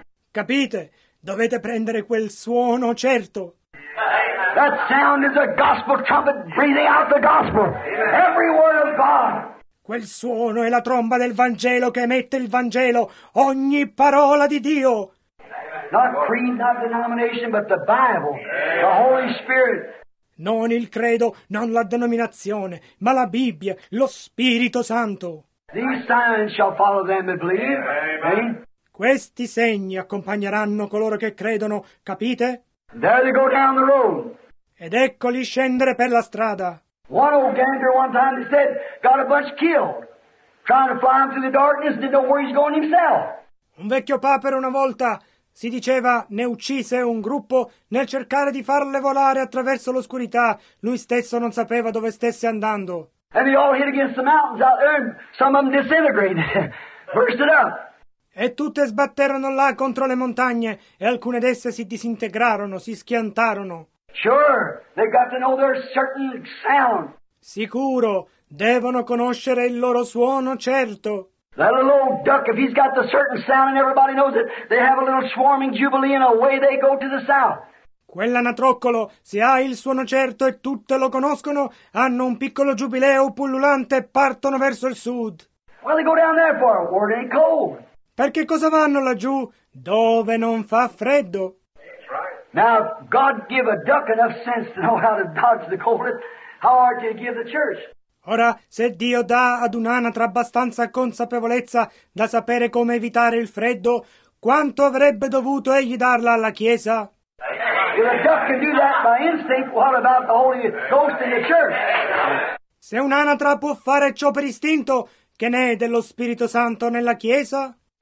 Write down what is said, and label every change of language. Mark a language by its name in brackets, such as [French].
[Italian] Capite? Dovete prendere quel suono certo. [English] That sound is a gospel trumpet breathing out the gospel. Every word of God. [Italian] Quel suono è la tromba del Vangelo che emette il Vangelo, ogni parola di Dio. [English] Not creed, not denomination, but the Bible, the Holy Spirit. [Italian] Non il credo, non la denominazione, ma la Bibbia, lo Spirito Santo. [English] These signs shall follow them that believe. Amen. [Italian] Questi segni accompagneranno coloro che credono, capite? [English] There they go down the road. [Italian] Ed eccoli scendere per la strada. [English] One old gander one time he said got a bunch killed trying to fly him through the darkness and didn't know where he's going himself. [Italian] Un vecchio papero una volta si diceva ne uccise un gruppo nel cercare di farle volare attraverso l'oscurità. Lui stesso non sapeva dove stesse andando. [English] And they all hit against the mountains out there and some of them disintegrated, bursted up. [Italian] E tutte sbatterono là contro le montagne e alcune d'esse si disintegrarono, si schiantarono. [English] Sure, they've got to know their certain sound. [Italian] Sicuro, devono conoscere il loro suono, certo. [English] That little old duck, if he's got the certain sound and everybody knows it, they have a little swarming jubilee and away they go to the south. [Italian] Quell'anatroccolo, se ha il suono certo e tutte lo conoscono, hanno un piccolo giubileo pullulante e partono verso il sud. [English] What do they go down there for? Where it ain't cold. [Italian] Perché cosa vanno laggiù, dove non fa freddo? [English] Now, God give a duck enough sense to know how to dodge the coldest, how hard can he give the church? [Italian] Ora, se Dio dà ad un'anatra abbastanza consapevolezza da sapere come evitare il freddo, quanto avrebbe dovuto egli darla alla Chiesa? [English] If a duck can do that by instinct, what about the Holy Ghost in the church? [Italian] Se un'anatra può fare ciò per istinto, che ne è dello Spirito Santo nella Chiesa?